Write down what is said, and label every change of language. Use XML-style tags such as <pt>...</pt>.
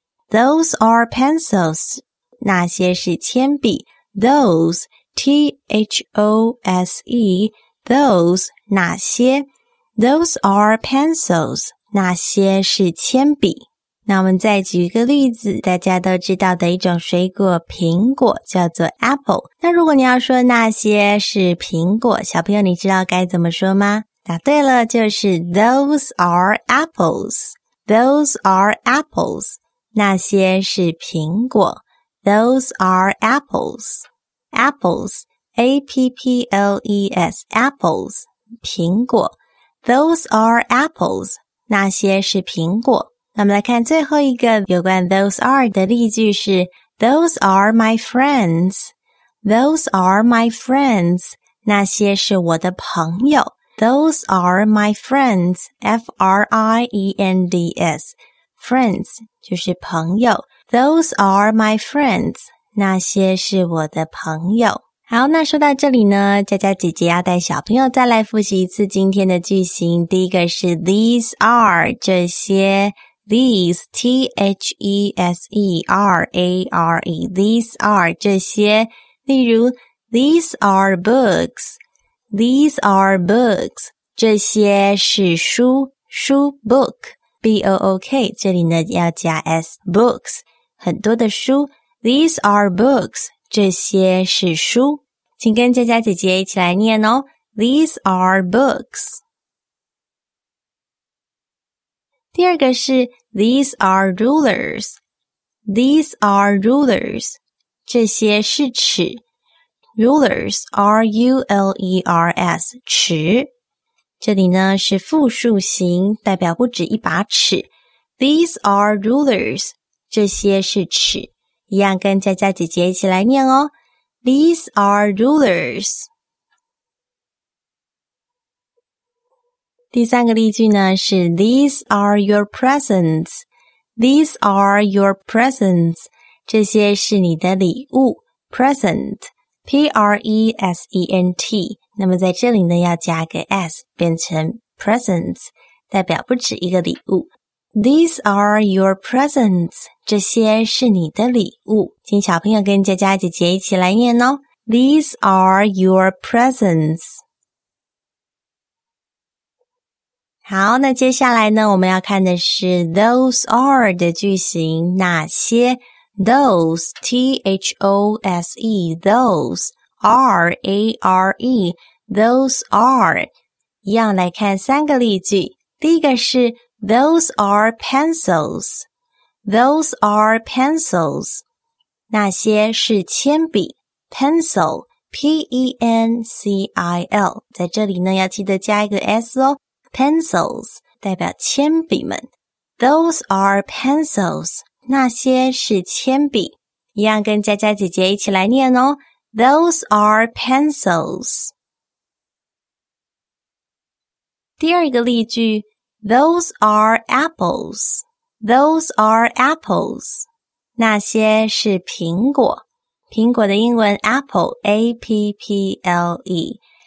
<en>those are pencils，</en> <zh>那些是铅笔。</zh> <en>those T-H-O-S-EThose</en> <zh>哪些</zh> <en>？Those are pencils，</en> <zh>那些是铅笔。那我们再举一个例子，大家都知道的一种水果，苹果叫做 apple。那如果你要说那些是苹果，小朋友你知道该怎么说吗？答对了，就是</zh> <en>Those are apples。 Those are apples，</en> <zh>那些是苹果。</zh> <en>Those are apples。 Apples。 A-P-P-L-E-S, apples,</en> <zh>苹果。</zh> <en>Those are apples,</en> <zh>那些是苹果。那么来看最后一个有关 those are 的例句是</zh> <en>Those are my friends,</en> <zh>Those are my friends, 那些是我的朋友。</zh> <en>Those are my friends, F-R-I-E-N-D-S, friends,</en> <zh>就是朋友。</zh> <en>Those are my friends,</en> <zh>那些是我的朋友。好，那说到这里呢，佳佳姐姐要带小朋友再来复习一次今天的句型。第一个是</zh> <en>these are，</en> <zh>这些 these T-H-E-S-E R-A-R-E these are 这些。例如</zh> <en>these are books，</en> <zh>these are books 这些是书，书 book B-O-O-K 这里呢要加 S books 很多的书。</zh> <en>these are books</en> <zh>这些是书，请跟佳佳姐姐一起来念哦。</zh> <en>These are books。</en> <zh>第二个是</zh> <en>These are rulers。 These are rulers。</en> <zh>这些是尺。</zh> <en>Rulers, R-U-L-E-R-S,</en> <zh>尺。这里呢是复数形，代表不止一把尺。</zh> <en>These are rulers。</en> <zh>这些是尺。一样跟佳佳姐姐一起来念哦。</zh> <en>These are rulers。</en> <zh>第三个例句呢是</zh> <en>These are your presents。 These are your presents。</en> <zh>这些是你的礼物。</zh> <en>Present P-R-E-S-E-N-T。</en> <zh>那么在这里呢要加个 S 变成 presents， 代表不止一个礼物。</zh> <en>These are your presents，</en> <zh>这些是你的礼物。请小朋友跟佳佳姐姐一起来念哦。</zh> <en>These are your presents。</en> <zh>好，那接下来呢，我们要看的是</zh> <en>those are</en> <zh>的句型，那些。</zh> <en>those T-H-O-S-E those R-A-R-E those are， 一样来看三个例句。第一个是Those are pencils. Those are pencils.</en> <zh>那些是铅笔。</zh> <en>Pencil,</en> <zh>pencil， 在这里呢要记得加一个 s 哦。 Pencils 代表铅笔们。</zh> <en>Those are pencils，</en> <zh>那些是铅笔。一样跟佳佳姐姐一起来念哦。</zh> <en>Those are pencils。</en> <zh>第二个例句</zh> <en>,Those are apples. Those are apples.</en> <zh>那些是苹果。苹果的英文 apple, A-P-P-L-E.</zh>